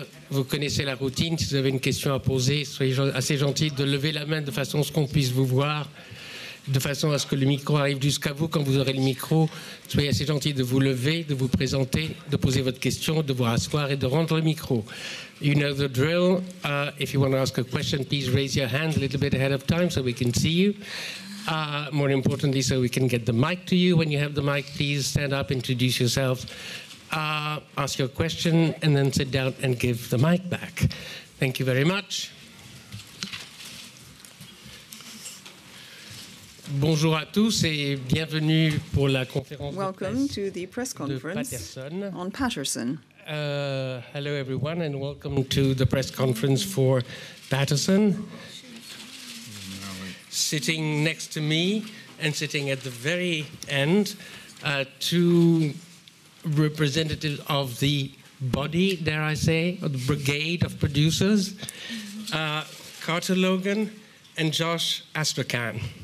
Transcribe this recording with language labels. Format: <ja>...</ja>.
<fr>Vous connaissez la routine, si vous avez une question à poser, soyez assez gentil de lever la main de façon à ce qu'on puisse vous voir, de façon à ce que le micro arrive jusqu'à vous. Quand vous aurez le micro, soyez assez gentil de vous lever, de vous présenter, de poser votre question, de vous rasseoir et de rendre le micro.</fr> <en>You know the drill. If you want to ask a question, please raise your hand a little bit ahead of time so we can see you. More importantly, so we can get the mic to you. When you have the mic, please stand up, introduce yourself, ask your question, and then sit down and give the mic back. Thank you very much.</en> <fr>Bonjour à tous et bienvenue pour la conférence.</fr> <en>Welcome</en> <fr>de presse</fr> <en>to the press conference Patterson. On Patterson. Hello, everyone, and welcome to the press conference for Patterson. Sitting next to me and sitting at the very end, two representatives of the body, dare I say, or the brigade of producers, Carter Logan and Josh Astrachan.</en>